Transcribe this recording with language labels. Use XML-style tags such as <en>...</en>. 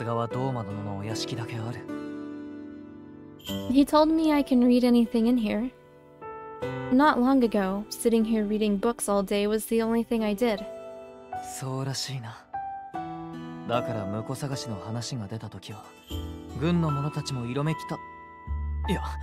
<ja>こちらの蔵書は素晴らしいな。さすがはドーマ殿のお屋敷だけある。</ja> <en>He told me I can read anything in here. Not long ago, sitting here reading books all day was the only thing I did.</en> <ja>そうらしいな。だから婿探しの話が出た時は、軍の者たちも色めきた。いや。</ja>